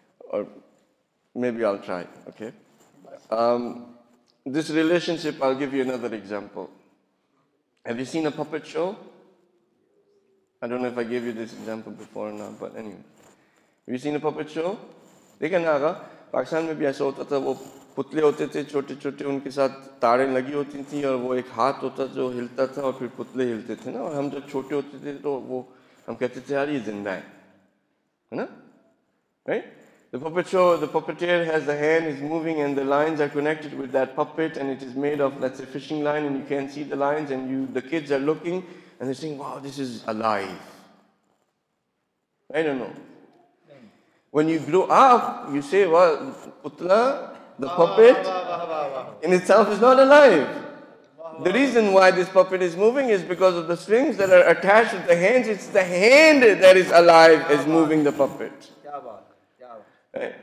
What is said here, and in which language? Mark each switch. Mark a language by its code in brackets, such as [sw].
[en] Or maybe I'll try, okay? This relationship, I'll give you another example. Have you seen a puppet show? I don't know if I gave you this example before or not, but anyway. Have you seen a puppet show? [hi] देखा ना आगा पाकिस्तान में भी ऐसा होता था वो पुतले होते थे छोटे छोटे उनके साथ तारें लगी होती थी और वो एक हाथ होता जो हिलता था और फिर पुतले हिलते थे ना और हम जब छोटे होते थे तो वो हम कहते थे यार ये जिंदा है ना [en] Right the puppet show the puppeteer has the hand is moving and the lines are connected with that puppet and it is made of let's say fishing line and you can see the lines and you the kids are looking and they saying wow this is alive I don't know. When you grow up, you say, well, putla, the puppet, in itself is not alive. The reason why this puppet is moving is because of the strings that are attached to the hands. It's the hand that is alive is moving the puppet. Right?